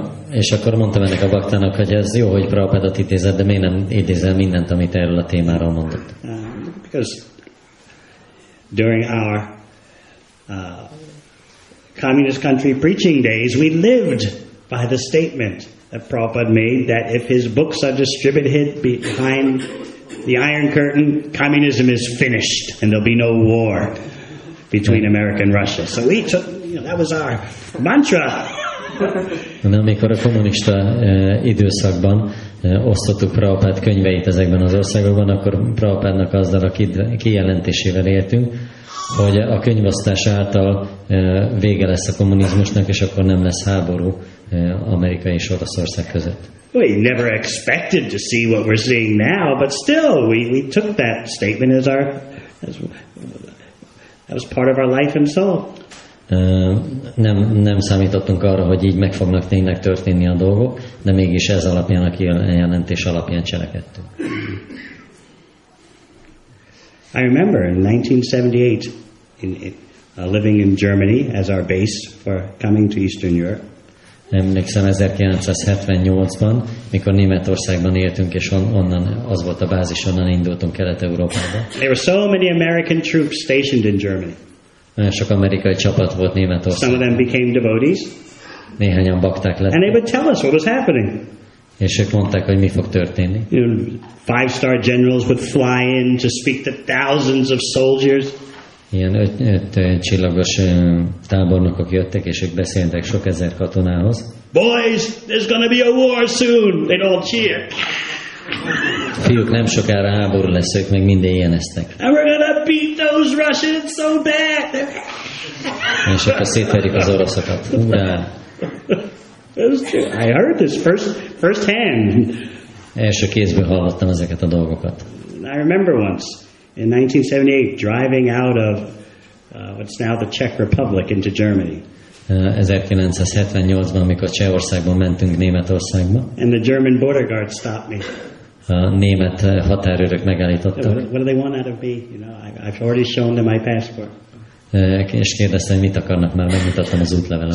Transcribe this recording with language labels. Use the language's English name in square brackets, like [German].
[Hungarian] És akkor mondtam ennek a baktának, hogy ez jó, hogy Prabhupádat idézed, de miért nem idézel mindent, amit erről a témáról mondott? [English] Because during our communist country preaching days, we lived by the statement that Prabhupada made that if his books are distributed behind the Iron Curtain, communism is finished and there'll be no war between America and Russia. So we took, you know, that was our mantra. [Hungarian] Amikor a kommunista időszakban osztottuk Prabhupád könyveit ezekben az országokban, akkor Prabhupádnak azzal a kijelentésével éltünk, hogy a könyvosztás által vége lesz a kommunizmusnak, és akkor nem lesz háború Amerika és Oroszország között. [English] We never expected to see what we're seeing now, but still, we took that statement as our, as part of our life and soul. [Hungarian] Nem számítottunk arra, hogy így meg fognak tényleg történni a dolgok, de mégis ez alapján, a kijelentés alapján cselekedtünk. [English] I remember in 1978, living in Germany as our base for coming to Eastern Europe. [Hungarian] Emlékszem 1978-ban, mikor Németországban éltünk, és onnan az volt a bázis, onnan indultunk Kelet-Európába. [English] There were so many American troops stationed in Germany. [Hungarian] Nagyon sok amerikai csapat volt Németországban. [English] Some of them became devotees. [Hungarian] Néhányan bakták lettek. [English] And they would tell us what was happening. [Hungarian] És ők mondták, hogy mi fog történni. [English] You know, 5-star generals would fly in to speak to thousands of soldiers. [Hungarian] Ilyen öt csillagos tábornokok jöttek, és ők beszéltek sok ezer katonához. [English] Boys, there's gonna be a war soon. They'd all cheer. [Hungarian] Fiúk, nem sokára háború lesz, ők meg minden ilyeneztek. [English] And we're gonna beat those Russians so bad. [Hungarian] És akkor szétverik az oroszokat. [Russian] Ura! [English] That's true. I heard this first hand. [Hungarian] Első kézből hallottam ezeket a dolgokat. [English] I remember once in 1978 driving out of what's now the Czech Republic into Germany. [Hungarian] 1978-ban, amikor Csehországból mentünk Németországba. [English] And the German border guard stopped me. [Hungarian] A német határőrök megállítottak. [English] What do they want out of me? You know, I've already shown them my passport. [Hungarian] És kérdeztem, mit akarnak már, megmutattam az útlevelet.